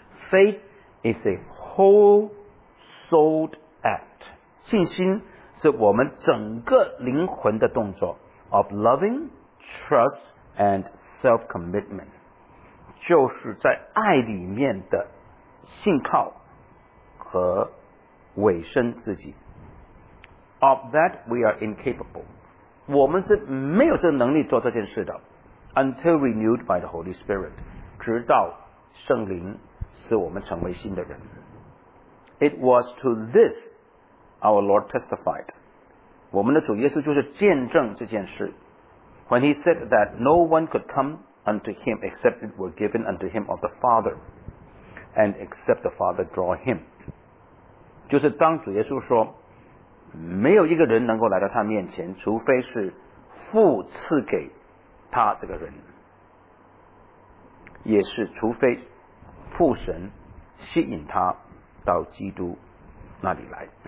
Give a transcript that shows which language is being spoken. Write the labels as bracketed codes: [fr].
[en] Faith is a whole-souled act [zh] 信心是我们整个灵魂的动作 [en] of loving, trust and self-commitment [zh] 就是在爱里面的信靠和委身自己 [en] of that we are incapable [zh] 我们是没有这个能力做这件事的。 [en] Until renewed by the Holy Spirit, [zh] 直到圣灵使我们成为新的人。 [en] It was to this our Lord testified. [zh] 我们的主耶稣就是见证这件事。 [en] When he said that no one could come unto him except it were given unto him of the Father, and except the Father draw him. [zh] 就是当主耶稣说没有一个人能够来到他面前，除非是父赐给他这个人，也是除非父神吸引他到基督那里来。